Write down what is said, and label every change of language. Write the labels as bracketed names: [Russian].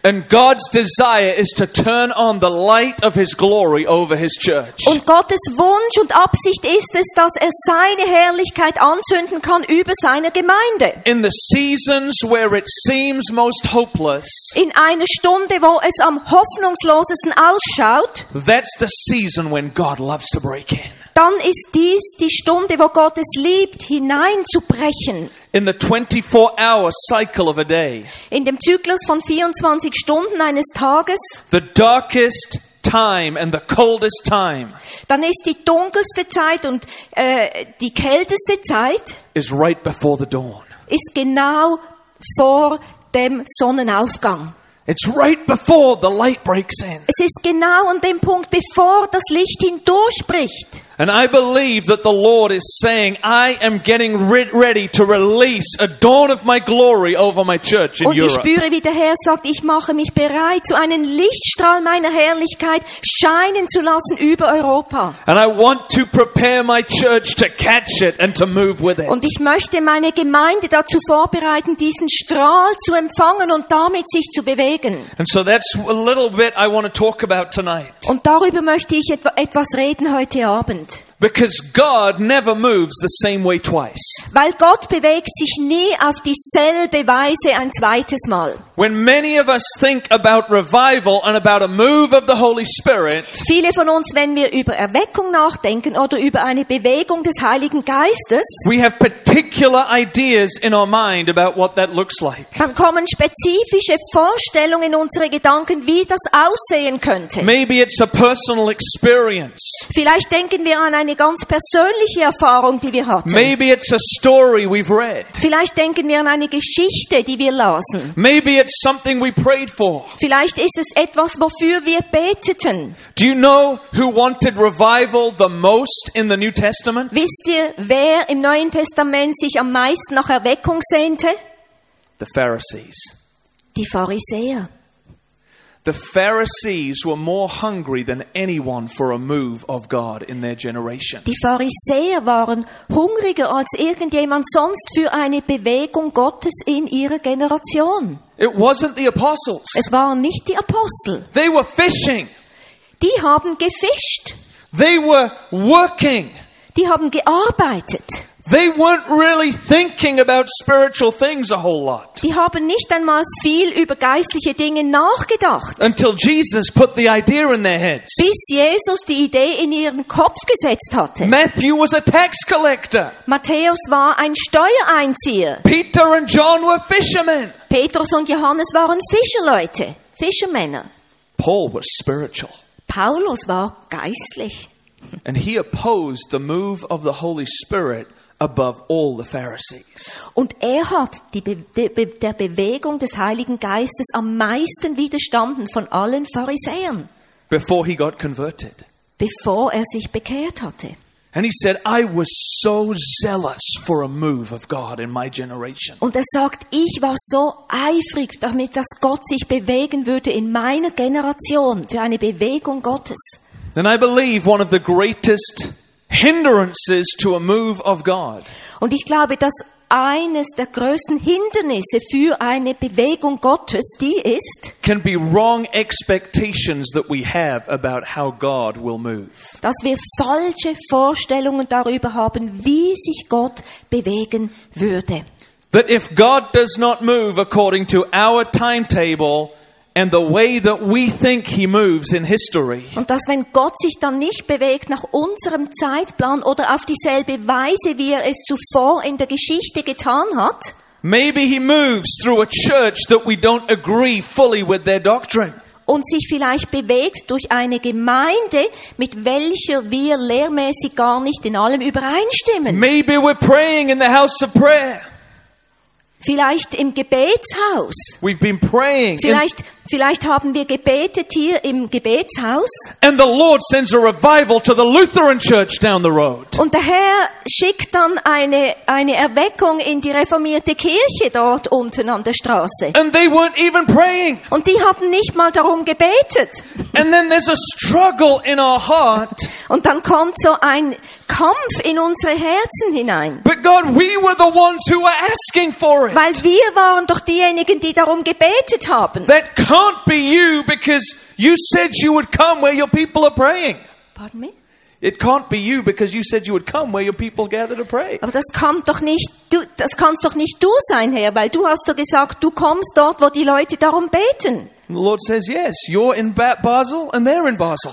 [English] And God's desire is to turn on the light of His glory over His church. [German] Und Gottes Wunsch und Absicht ist es, dass er seine Herrlichkeit anzünden kann über seine Gemeinde. [English] In the seasons where it seems most hopeless. [German] In einer Stunde, wo es am hoffnungslosesten ausschaut, [English] that's the season when God loves to break in. [German] Dann ist dies die Stunde, wo Gott es liebt, hineinzubrechen. [English] In the 24-hour cycle of a day. [German] In dem Zyklus von 24 Stunden eines Tages. [English] The darkest time and the coldest time. [German] Dann ist die dunkelste Zeit und die kälteste Zeit. [English] Is right before the dawn. [German] Ist genau vor dem Sonnenaufgang. [English] It's right before the light breaks in. [German] Es ist genau an dem Punkt, bevor das Licht hindurchbricht. [English] And I believe that the Lord is saying, I am getting ready to release a dawn of my glory over my church in Europe. [German] Und ich spüre, wie der Herr sagt, ich mache mich bereit, so einen Lichtstrahl meiner Herrlichkeit scheinen zu lassen über Europa. [English] And I want to prepare my church to catch it and to move with it. [German] Und ich möchte meine Gemeinde dazu vorbereiten, diesen Strahl zu empfangen und damit sich zu bewegen. [English] And so that's a little bit I want to talk about tonight. [German] Und darüber möchte ich etwas reden heute Abend. [English] Because God never moves the same way twice. [German] Weil Gott bewegt sich nie auf dieselbe Weise ein zweites Mal. [English] When many of us think about revival and about a move of the Holy Spirit, [German] viele von uns, wenn wir über Erweckung nachdenken oder über eine Bewegung des Heiligen Geistes, [English] we have particular ideas in our mind about what that looks like. [German] Dann kommen spezifische Vorstellungen in unsere Gedanken, wie das aussehen könnte. [English] Maybe it's a personal experience. [German] Vielleicht denken wir an eine ganz persönliche Erfahrung, die wir hatten. [English] Maybe it's a story we've read. [German] Vielleicht denken wir an eine Geschichte, die wir lasen. [English] Maybe it's something we prayed for. [German] Vielleicht ist es etwas, wofür wir beteten. [English] Do you know who wanted revival the most in the New Testament? [German] Wisst ihr, wer im Neuen Testament sich am meisten nach Erweckung sehnte? [English] The Pharisees. [German] Die Pharisäer. [English] The Pharisees were more hungry than anyone for a move of God in their generation. [German] Die Pharisäer waren hungriger als irgendjemand sonst für eine Bewegung Gottes in ihrer Generation. [English] It wasn't the apostles. [German] Es waren nicht die Apostel. [English] They were fishing. [German] Die haben gefischt. [English] They were working. [German] Die haben gearbeitet. [English] They weren't really thinking about spiritual things a whole lot. [German] Die haben nicht einmal viel über geistliche Dinge nachgedacht. [English] Until Jesus put the idea in their heads. [German] Bis Jesus die Idee in ihren Kopf gesetzt hatte. [English] Matthew was a tax collector. [German] Matthäus war ein Steuereinzieher. [English] Peter and John were fishermen. [German] Petrus und Johannes waren Fischerleute, Fischermänner. [English] Paul was spiritual. [German] Paulus war geistlich. [English] And he opposed the move of the Holy Spirit above all the Pharisees. [German] Und er hat der Bewegung des Heiligen Geistes am meisten widerstanden von allen Pharisäern. [English] Before he got converted. [German] Bevor er sich bekehrt hatte. [English] And he said, I was so zealous for a move of God in my generation. [German] Und er sagt, ich war so eifrig damit, dass Gott sich bewegen würde in meiner Generation für eine Bewegung Gottes. [English] And I believe one of the greatest hindrances to a move of God. [German] Und ich glaube, dass eines der größten Hindernisse für eine Bewegung Gottes die ist, [English] can be wrong expectations that we have about how God will move. [German] Dass wir falsche Vorstellungen darüber haben, wie sich Gott bewegen würde. [English] That if God does not move according to our timetable, and the way that we think he moves in history. [German] Und dass wenn Gott sich dann nicht bewegt nach unserem Zeitplan oder auf dieselbe Weise, wie er es zuvor in der Geschichte getan hat. [English] Maybe he moves through a church that we don't agree fully with their doctrine. [German] Und sich vielleicht bewegt durch eine Gemeinde, mit welcher wir lehrmäßig gar nicht in allem übereinstimmen. [English] Maybe we're praying in the house of prayer. [German] Vielleicht im Gebetshaus. [English] We've been praying. [German] Vielleicht Vielleicht haben wir gebetet hier im Gebetshaus. [English] And the Lord sends a revival to the Lutheran church down the road. [German] Und der Herr schickt dann eine Erweckung in die reformierte Kirche dort unten an der Straße. [English] And they weren't even praying. [German] Und die hatten nicht mal darum gebetet. [English] And then there's a struggle in our heart. [German] Und dann kommt so ein Kampf in unsere Herzen hinein. [English] But God, we were the ones who were asking for it. [German] Weil wir waren doch diejenigen, die darum gebetet haben. [English] That can't be you, because you said you would come where your people are praying. Pardon me? It can't be you, because you said you would come where your people gather to pray. [German] Aber das kannst doch nicht du sein, Herr, weil du hast doch gesagt, du kommst dort, wo die Leute darum beten. [English] And the Lord says, yes, you're in Basel and they're in Basel.